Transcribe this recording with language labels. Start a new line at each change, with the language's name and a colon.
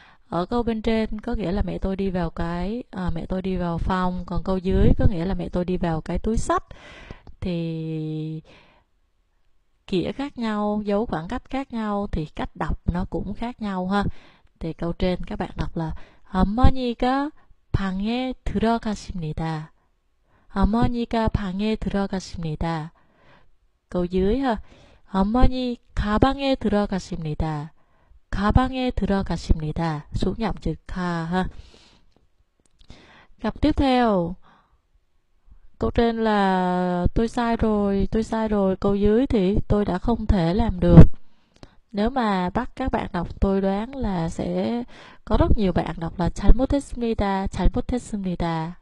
Vietnamese: Ở câu bên trên có nghĩa là mẹ tôi đi vào phòng, còn câu dưới có nghĩa là mẹ tôi đi vào cái túi xách. Thì kiểu khác nhau, dấu khoảng cách khác nhau thì cách đọc nó cũng khác nhau ha. Thì câu trên các bạn đọc là
Korean: 어머니가 방에 들어가십니다. 어머니가 방에 들어가십니다.
Vietnamese: Câu dưới ha.
Korean: 어머니 가방에 들어가십니다. 가방에 들어가십니다.
Vietnamese: 수음 양 즉, 가, ha. Cặp tiếp theo. Câu trên là tôi sai rồi, tôi sai rồi. Câu dưới thì tôi đã không thể làm được. Nếu mà bắt các bạn đọc, tôi đoán là sẽ có rất nhiều bạn đọc là
Korean: 잘못했습니다, 잘못했습니다.